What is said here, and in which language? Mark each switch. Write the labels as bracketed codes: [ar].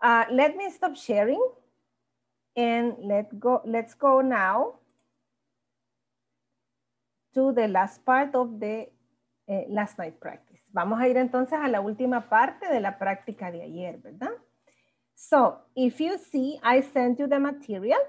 [en] Let me stop sharing and let's go now to the last part of the last night practice. [es] Vamos a ir entonces a la última parte de la práctica de ayer, ¿verdad? [en] So, if you see, I sent you the material.